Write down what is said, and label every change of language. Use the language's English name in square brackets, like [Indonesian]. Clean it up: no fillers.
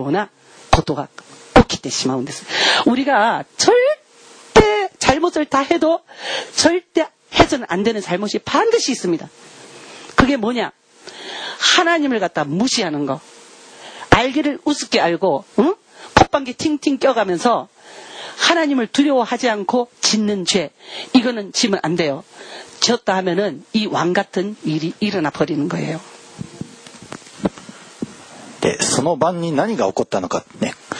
[Japanese] 神の前で私たちが絶対に絶対に手を出しちゃいけないものが私たちにもある。それを手出した途端にどうなるかって言ったら、この王様のようなことが起きてしまうんです。 [Korean] 우리가 절대 잘못을 다 해도 절대 해서는 안 되는 잘못이 반드시 있습니다. 그게 뭐냐? 하나님을 갖다 무시하는 거. 알기를 우습게 알고, 응? 콧방귀 팅팅 껴가면서 하나님을 두려워하지 않고 짓는 죄. 이거는 지면 안 돼요. 졌다 하면은 이 왕 같은 일이 일어나 버리는 거예요. [Japanese] 네, その晩に何が起こったのかね。